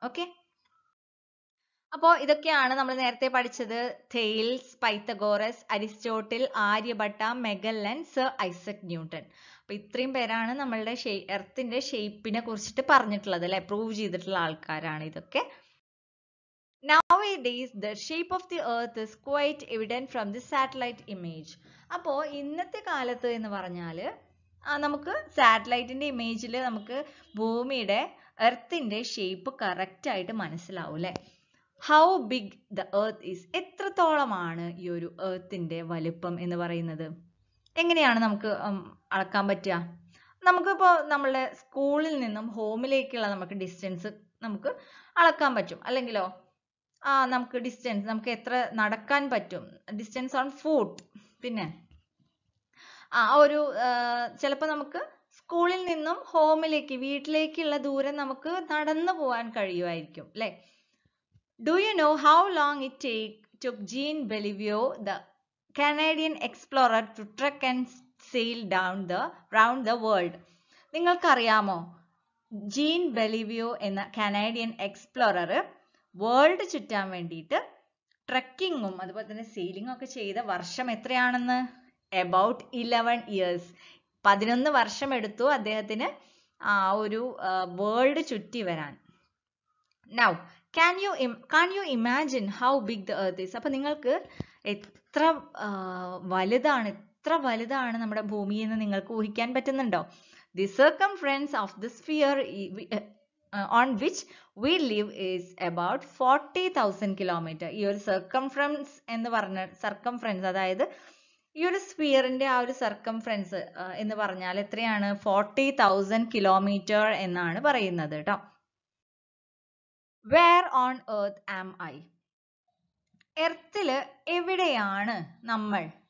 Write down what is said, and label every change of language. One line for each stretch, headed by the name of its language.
Malayalam: Okay, അപ്പോൾ ഇതൊക്കെയാണ് നമ്മൾ നേരത്തെ പഠിച്ചത്. Thales, Pythagoras, Aristotle, Aryabhata, Magellan, sir Isaac Newton. അപ്പൊ ഇത്രയും പേരാണ് നമ്മളുടെ എർത്തിന്റെ ഷേപ്പിനെ കുറിച്ചിട്ട് പറഞ്ഞിട്ടുള്ളത് അല്ലെ, പ്രൂവ് ചെയ്തിട്ടുള്ള ആൾക്കാരാണ് ഇതൊക്കെ.
English: Nowadays, the shape of the earth is quite evident from the satellite image.
Malayalam: അപ്പോ ഇന്നത്തെ കാലത്ത് എന്ന് പറഞ്ഞാല് നമുക്ക് സാറ്റലൈറ്റിന്റെ ഇമേജിൽ നമുക്ക് ഭൂമിയുടെ, എർത്തിന്റെ ഷേപ്പ് കറക്റ്റ് ആയിട്ട് മനസ്സിലാവും അല്ലെ.
English: how big the earth is,
Malayalam: എത്രത്തോളമാണ് ഈ ഒരു എർത്തിന്റെ വലിപ്പം എന്ന് പറയുന്നത് എങ്ങനെയാണ് നമുക്ക് അളക്കാൻ പറ്റുക? നമുക്കിപ്പോ നമ്മളുടെ സ്കൂളിൽ നിന്നും ഹോമിലേക്കുള്ള നമുക്ക് ഡിസ്റ്റൻസ് നമുക്ക് അളക്കാൻ പറ്റും അല്ലെങ്കിലോ? നമുക്ക് ഡിസ്റ്റൻസ്, നമുക്ക് എത്ര നടക്കാൻ പറ്റും,
English: Distance on foot.
Malayalam: പിന്നെ ഒരു ചിലപ്പോ നമുക്ക് സ്കൂളിൽ നിന്നും ഹോമിലേക്ക്, വീട്ടിലേക്കുള്ള ദൂരം നമുക്ക് നടന്നു പോവാൻ കഴിയുമായിരിക്കും അല്ലെ.
English: Do you know how long it took Jean Beliveau, the Canadian explorer, to trek and sail down the round the world?
Malayalam: നിങ്ങൾക്കറിയാമോ, ജീൻ ബെലിവ്യോ എന്ന കനേഡിയൻ എക്സ്പ്ലോറർ വേൾഡ് ചുറ്റാൻ വേണ്ടിയിട്ട് ട്രക്കിങ്ങും അതുപോലെ തന്നെ സെയിലിംഗും ഒക്കെ ചെയ്ത വർഷം എത്രയാണെന്ന്?
English: About 11 years.
Malayalam: 11 വർഷം എടുത്തു അദ്ദേഹത്തിന് ആ ഒരു വേൾഡ് ചുറ്റി വരാൻ.
English: Now, can you imagine how big the earth is?
Malayalam: അപ്പൊ നിങ്ങൾക്ക് എത്ര വലുതാണ്, എത്ര വലുതാണ് നമ്മുടെ ഭൂമി എന്ന് നിങ്ങൾക്ക് ഊഹിക്കാൻ പറ്റുന്നുണ്ടോ?
English: The circumference of the sphere on which we live is about 40,000 kilometers.
Malayalam: ഈ ഒരു സർക്കംഫറൻസ് എന്ന് പറഞ്ഞ സർക്കംഫറൻസ്, അതായത് ഈ ഒരു സ്ഫിയറിന്റെ ആ ഒരു സർക്കംഫറൻസ് എന്ന് പറഞ്ഞാൽ എത്രയാണ്? 40,000 kilometers എന്നാണ് പറയുന്നത് കേട്ടോ.
English: Where on earth am I?
Malayalam: എർത്തിൽ എവിടെയാണ് നമ്മൾ?